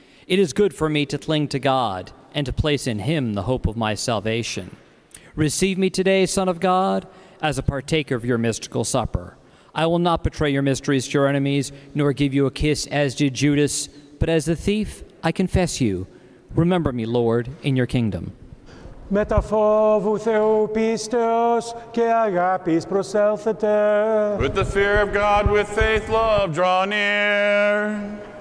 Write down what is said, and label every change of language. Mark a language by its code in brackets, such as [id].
[en] It is good for me to cling to God and to place in him the hope of my salvation. Receive me today, Son of God, as a partaker of your mystical supper. I will not betray your mysteries to your enemies, nor give you a kiss as did Judas, but as the thief, I confess you. Remember me, Lord, in your kingdom. [el] Μεταφόβου Θεού πίστεως και αγάπης προσέλθετε. [en] With the fear of God, with faith, love, draw near.